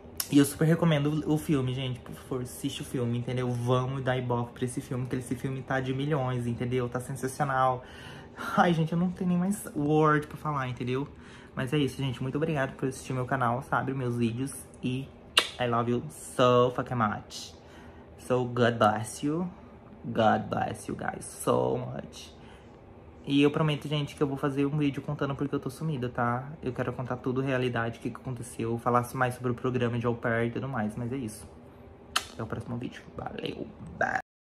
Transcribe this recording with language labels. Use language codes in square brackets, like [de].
[pt] E eu super recomendo o filme, gente, por favor, assiste o filme, entendeu? Vamos dar ibope pra esse filme, que esse filme tá de milhões, entendeu? Tá sensacional. Ai, gente, eu não tenho nem mais word pra falar, entendeu? Mas é isso, gente, muito obrigado por assistir meu canal, sabe, meus vídeos. [en] E I love you so fucking much. So, God bless you. God bless you guys so much. [pt] E eu prometo, gente, que eu vou fazer um vídeo contando porque eu tô sumida, tá? Eu quero contar tudo, realidade, o que que aconteceu, falar mais sobre o programa de au pair e tudo mais. Mas é isso. Até o próximo vídeo. Valeu!